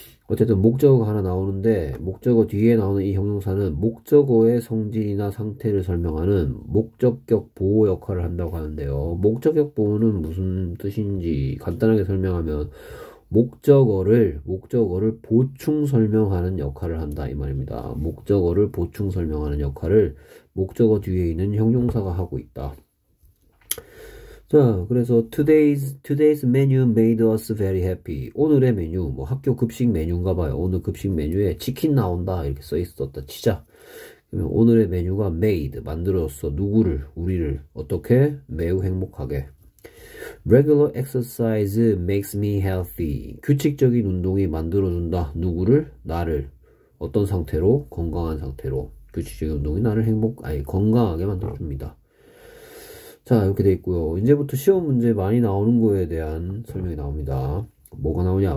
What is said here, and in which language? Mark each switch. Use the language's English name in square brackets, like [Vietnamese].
[Korean] 어쨌든 목적어가 하나 나오는데, 목적어 뒤에 나오는 이 형용사는 목적어의 성질이나 상태를 설명하는 목적격 보호 역할을 한다고 하는데요. 목적격 보호는 무슨 뜻인지 간단하게 설명하면, 목적어를 보충 설명하는 역할을 한다 이 말입니다. 목적어를 보충 설명하는 역할을 목적어 뒤에 있는 형용사가 하고 있다. 자, 그래서 [English] today's menu made us very happy. [Korean] 오늘의 메뉴, 뭐 학교 급식 메뉴인가 봐요. 오늘 급식 메뉴에 치킨 나온다 이렇게 써 있었다 치자. 그러면 오늘의 메뉴가 made 만들었어. 누구를? 우리를 어떻게? 매우 행복하게. [English] Regular exercise makes me healthy. [Korean] 규칙적인 운동이 만들어준다. 누구를? 나를. 어떤 상태로? 건강한 상태로. 규칙적인 운동이 나를 건강하게 만들어줍니다. 자, 이렇게 돼 있고요. 이제부터 시험 문제 많이 나오는 거에 대한 설명이 나옵니다. 뭐가 나오냐?